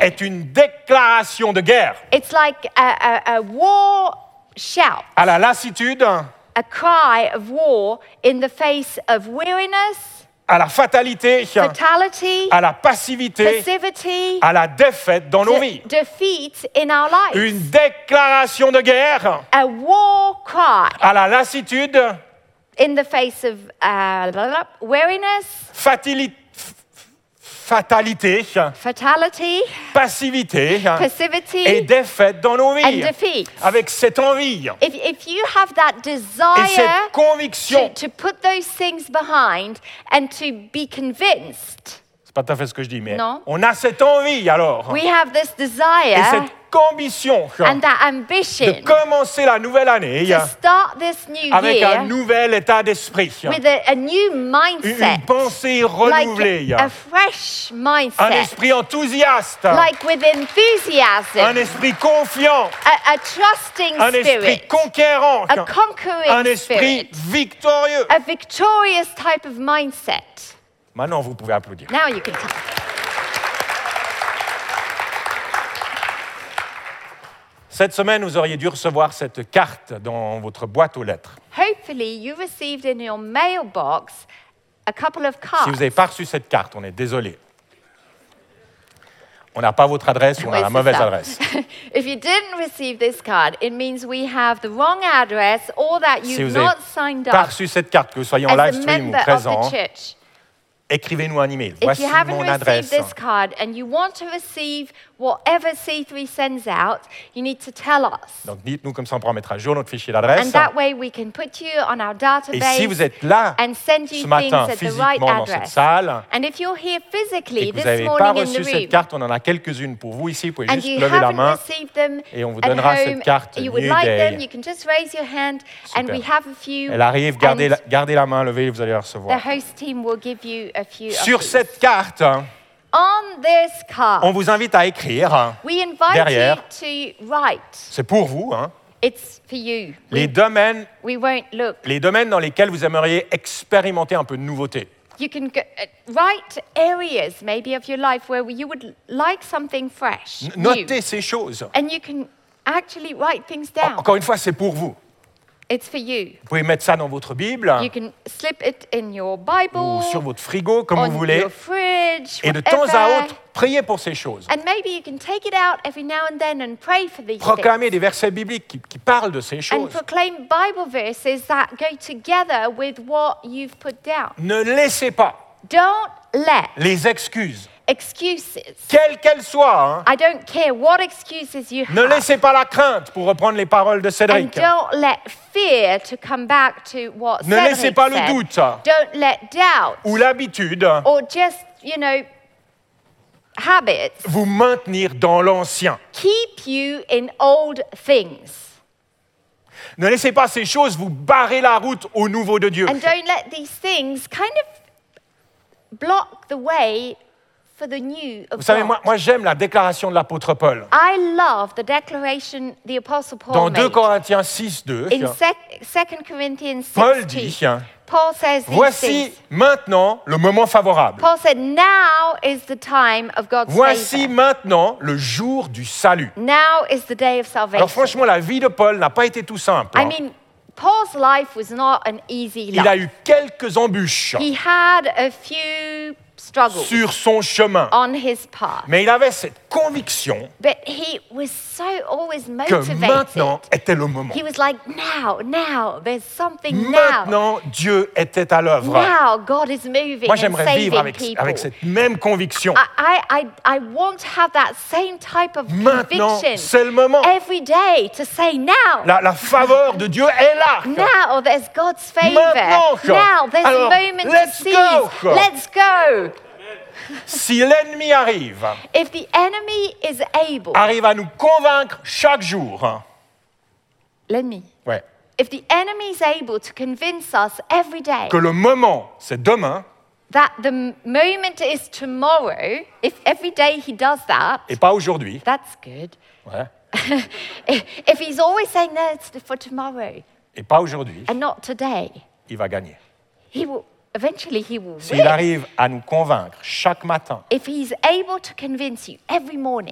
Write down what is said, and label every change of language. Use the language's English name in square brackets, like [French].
[French] est une déclaration de guerre. [English] It's like a war shout. [French] À la lassitude. [English] A cry of war in the face of weariness. [French] À la fatalité, [English] fatality, [French] à la passivité, [English] passivity, [French] à la défaite dans nos vies. [English] Defeat in our lives. [French] Une déclaration de guerre, [English] a war cry, [French] à la lassitude, [English] in the face of weariness, [French] fatalité, [English] fatality, [French] passivité, [English] passivity, [French] et défaite dans nos vies. [English] And defeat. [French] Avec cette envie, [English] if you have that desire [French] et cette conviction, [English] to put those things behind and to be convinced, [French] c'est pas tout à fait ce que je dis, mais non. On a cette envie alors. [English] We have this desire [French] et cette ambition, [English] and that ambition, [French] de commencer la nouvelle année, [English] to start this new year, [French] avec un nouvel état d'esprit, [English] with a new mindset, [French] une pensée renouvelée, [English] like a fresh mindset, [French] un esprit enthousiaste, [English] like with enthusiasm, [French] un esprit confiant, [English] a trusting spirit, [French] un esprit conquérant, [English] a conquering spirit, [French] un esprit victorieux, [English] a victorious type of mindset. [French] Maintenant, vous pouvez applaudir. [English] Now you can clap. [French] Cette semaine, vous auriez dû recevoir cette carte dans votre boîte aux lettres. [English] Hopefully, you received in your mailbox a couple of cards. [French] Si vous n'avez pas reçu cette carte, on est désolé. On n'a pas votre adresse ou on a la mauvaise adresse. [English] If you didn't receive this card, it means we have the wrong address or that you've not signed up. [French] Si vous n'avez pas reçu cette carte, que vous soyez en live stream ou présent, écrivez-nous un email. Voici mon adresse. [English] If you haven't received this card and you want to receive whatever C3 sends out, you need to tell us. [French] Donc dites-nous, comme ça on pourra mettre à jour notre fichier d'adresse. [English] And that way we can put you on our database. [French] Et si vous êtes là ce matin, physiquement dans cette salle, [English] and if you're here physically [French] et que vous n'avez pas reçu cette carte, on en a quelques-unes pour vous ici, vous pouvez juste lever la main et on vous donnera cette carte [English] New Day. You can just raise your hand and we have a few. [French] Elle arrive, gardez la main levée, vous allez la recevoir. [English] The host team will give you a few. [French] Sur cette carte, [English] on this card, [French] on vous invite à écrire derrière. C'est pour vous, hein. [English] It's for you. [French] Les domaines dans lesquels vous aimeriez expérimenter un peu de nouveauté. [English] You can write areas maybe of your life where you would like something fresh. [French] Notez ces choses. [English] And you can actually write things down. [French] Encore une fois, c'est pour vous. [English] It's for you. [French] Vous pouvez mettre ça dans votre Bible. [English] You can slip it in your Bible. [French] Ou sur votre frigo, comme vous voulez. [English] On your fridge. [French] Et de temps à autre, priez pour ces choses. [English] And maybe you can take it out every now and then and pray for these things. [French] Proclamez des versets bibliques qui parlent de ces choses. [English] And proclaim Bible verses that go together with what you've put down. [French] Ne laissez pas. [English] Don't let. [French] Les excuses. [English] Excuses. [French] Quelles qu'elles soient. Hein, [English] I don't care what excuses you have. [French] Ne laissez pas la crainte, pour reprendre les paroles de Cédric. [English] And don't let fear to come back to what Cédric said. [French] Ne laissez pas le doute. [English] Don't let doubt. [French] Ou l'habitude. [English] Or just, you know, habits. [French] Vous maintenir dans l'ancien. [English] Keep you in old things. [French] Ne laissez pas ces choses vous barrer la route au nouveau de Dieu. [English] And don't let these things kind of block the way. For the new of [French] vous savez, moi j'aime la déclaration de l'apôtre Paul. [English] I love the declaration the apostle Paul [French] dans 2 Corinthiens 6, 2. [English] In 2 Corinthians 6, [French] Paul dit, [English] Paul says this. [French] Voici maintenant le moment favorable. [English] Paul said, now is the time of God's [French] voici [English] favor. [French] Maintenant le jour du salut. [English] Now is the day of salvation. [French] Alors franchement, la vie de Paul n'a pas été tout simple. [English] I mean, Paul's life was not an easy life. [French] Il a eu quelques embûches. [English] He had a few struggles [French] sur son chemin. [English] On his path. [French] Mais il avait cette conviction que maintenant était le moment. [English] He was like, now, there's something now. [French] Maintenant, Dieu était à l'œuvre. [English] Now, God is moving. [French] Moi, j'aimerais vivre avec cette même conviction. [English] I want to have that same type of conviction. [French] Maintenant, c'est le moment. [English] Every day to say now. [French] La faveur de Dieu est là. [English] Now, there's God's favor. [French] Maintenant, [English] now, there's [French] alors, [English] a moment to seize. Let's go. [French] Si l'ennemi arrive, [English] if the enemy is able, [French] arrive à nous convaincre chaque jour, l'ennemi, ouais. [English] If the enemy is able to convince us every day, [French] que le moment c'est demain, [English] that the moment is tomorrow, if every day he does that, [French] et pas aujourd'hui, [English] that's good. [French] Ouais. [English] If he's always saying no, it's for tomorrow, [French] et pas aujourd'hui, [English] and not today, [French] il va gagner. [English] He will. Eventually he will win. [French] S'il arrive à nous convaincre chaque matin, [English] if he's able to convince you every morning,